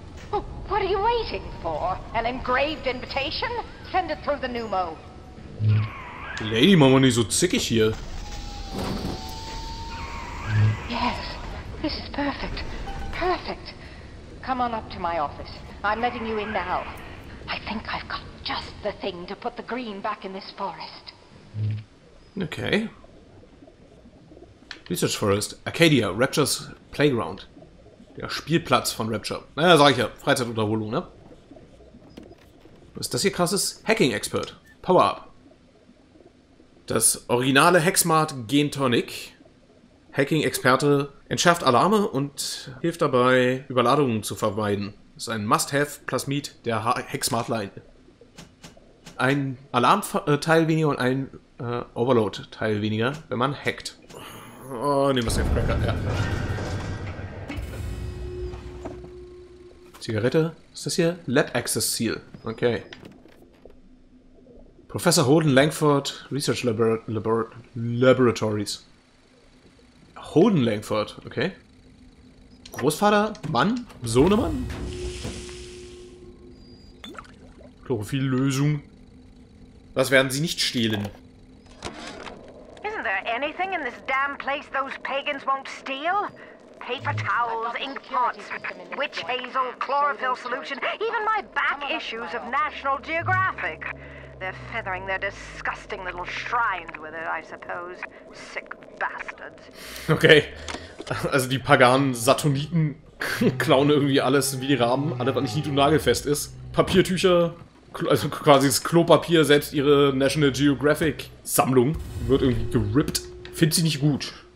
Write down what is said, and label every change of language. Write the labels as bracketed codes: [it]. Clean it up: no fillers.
[en] What are you waiting for? An engraved invitation? Send it through the Pneumo. [de] Lady, mach mal nicht so zickig hier. [en] Yes, this is perfect. Perfect. Come on up to my office. I'm letting you in now. I think I've got just the thing to put the green back in this forest. Okay. Research Forest. Arcadia, Rapture's Playground. [de] Der Spielplatz von Rapture. Naja, sag ich ja. Freizeitunterholung, ne? Was ist das hier krasses? Hacking Expert. Power Up. Das originale Hexmart Gen Tonic. Hacking-Experte, entschärft Alarme und hilft dabei, Überladungen zu vermeiden. Das ist ein Must-Have-Plasmid der Hack-Smartline. Ein Alarmteil weniger und ein Overload-Teil weniger, wenn man hackt. Oh, nehmen wir Safe-Cracker, ja. Zigarette, ist das hier? Lab-Access-Seal, okay. [en] Professor Holden Langford, Research Laboratories. Holden Langford, okay. [de] Großvater, Mann, Sohnemann? Chlorophyll-Lösung. Was werden sie nicht stehlen? [en] Isn't there anything in this damn place those pagans won't steal? Paper towels, ink pots, witch hazel, chlorophyll solution, even my back issues of National Geographic. They're feathering their disgusting little shrines with it, I suppose. Sick bastards. Okay. [de] Also die paganen Saturniten klauen irgendwie alles wie die Raben, alles was nicht nied- und nagelfest ist. Papiertücher, also quasi das Klopapier, selbst ihre National Geographic Sammlung wird irgendwie gerippt. Find sie nicht gut.